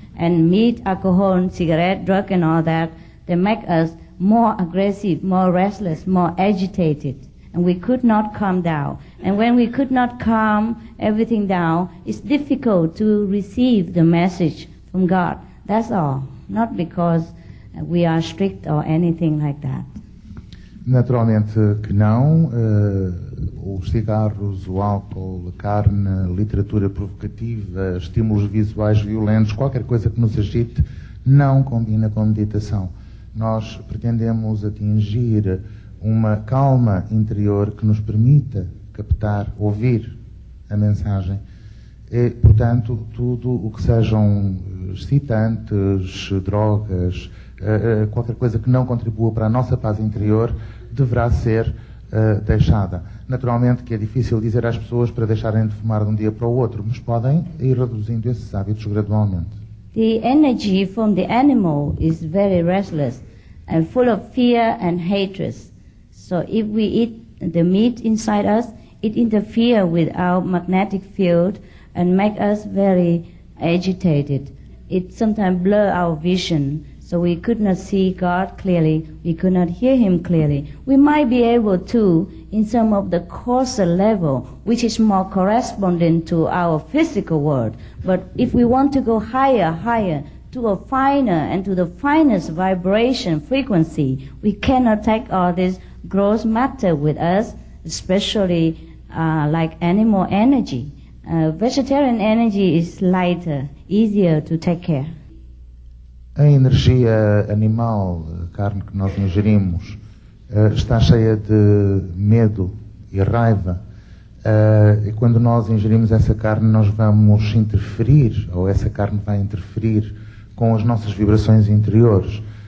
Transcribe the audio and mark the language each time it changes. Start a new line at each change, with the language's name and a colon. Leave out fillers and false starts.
English: And meat, alcohol, cigarette, drug and all that, they make us more aggressive, more restless, more agitated. And we could not calm down. And when we could not calm everything down, it's difficult to receive the message from God. That's all. Not because we are strict or anything like that.
Portuguese: Naturalmente que não. Os cigarros, o álcool, a carne, literatura provocativa, estímulos visuais violentos, qualquer coisa que nos agite, não combina com a meditação. Nós pretendemos atingir uma calma interior que nos permita captar, ouvir a mensagem. E, portanto, tudo o que sejam excitantes, drogas, qualquer coisa que não contribua para a nossa paz interior, deverá ser deixada. Naturalmente que é difícil dizer às pessoas para deixarem de fumar de um dia para o outro, mas podem ir reduzindo esses hábitos gradualmente.
English: The energy from the animal is very restless and full of fear and hatred. So if we eat the meat inside us, it interferes with our magnetic field and make us very agitated. It sometimes blur our vision, so we could not see God clearly, we could not hear him clearly. We might be able to, in some of the coarser level, which is more corresponding to our physical world, but if we want to go higher, higher, to a finer and to the finest vibration frequency, we cannot take all this grows matter with us, especially like animal energy. Vegetarian energy is lighter, easier to take care.
Portuguese: A energia animal, a carne que nós ingerimos, está cheia de medo e raiva. E quando nós ingerimos essa carne, nós vamos interferir, ou essa carne vai interferir com as nossas vibrações interiores.